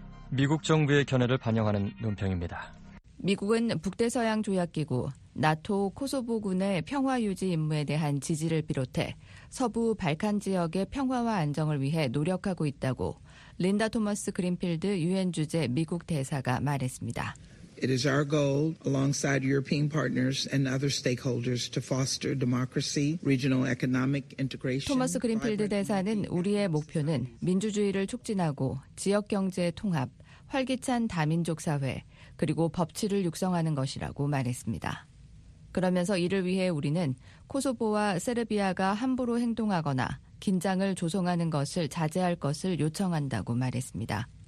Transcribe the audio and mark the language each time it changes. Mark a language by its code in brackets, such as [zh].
[ko] "미국 정부의 견해를 반영하는 논평입니다. 미국은 북대서양 조약기구, 나토 코소보군의 평화 유지 임무에 대한 지지를 비롯해 서부 발칸 지역의 평화와 안정을 위해 노력하고 있다고 린다 토머스 그린필드 유엔 주재 미국 대사가 말했습니다. [en] It is our goal, alongside European partners and other stakeholders, to foster democracy, regional economic integration. [ko] 토머스 그린필드 대사는 우리의 목표는 민주주의를 촉진하고 지역 경제의 통합, 활기찬 다민족 사회, 그리고 법치를 육성하는 것이라고 말했습니다. 그러면서 이를 위해 우리는 코소보와 세르비아가 함부로 행동하거나 긴장을 조성하는 것을 자제할 것을 요청한다고 말했습니다.